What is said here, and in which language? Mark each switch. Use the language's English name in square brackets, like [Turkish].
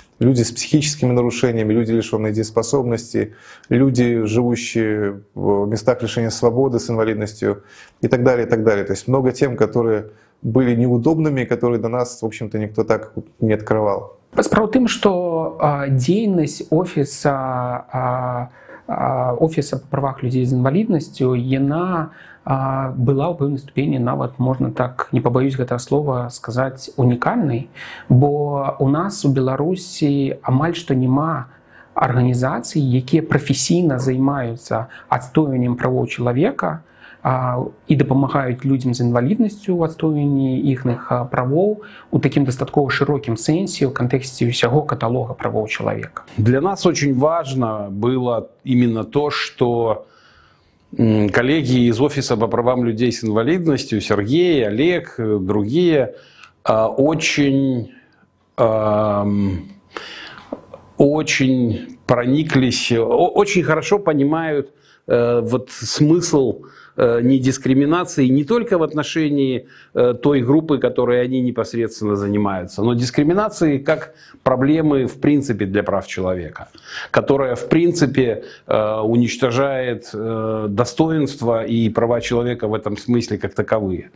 [Russian] Люди с психическими нарушениями, люди, лишенные дееспособности, люди, живущие в местах лишения свободы с инвалидностью и так далее, и так далее. То есть много тем, которые были неудобными, которые до нас, в общем-то, никто так не открывал. Справа в том, что деятельность офиса, офиса по правам людей с инвалидностью, она... [Belarusian] была в пэўнай ступені нават, можна так, не пабаюсь гэта слова сказаць, унікальнай, бо ў нас у Беларусі амаль што няма арганізацый, якія прафесійна займаюцца адстойваннем правоў чалавека і дапамагаюць людзям з інваліднасцю ў адстойванні іхніх правоў у такім дастаткова шырокім сэнсе ў кантэксце ўсяго каталога правоў чалавека. [Russian] Для нас очень важно было именно то, что коллеги из Офиса по правам людей с инвалидностью, Сергей, Олег, другие, очень прониклись, очень хорошо понимают вот смысл недискриминации не только в отношении той группы, которой они непосредственно занимаются, но дискриминации как проблемы в принципе для прав человека, которая в принципе уничтожает достоинство и права человека в этом смысле как таковые.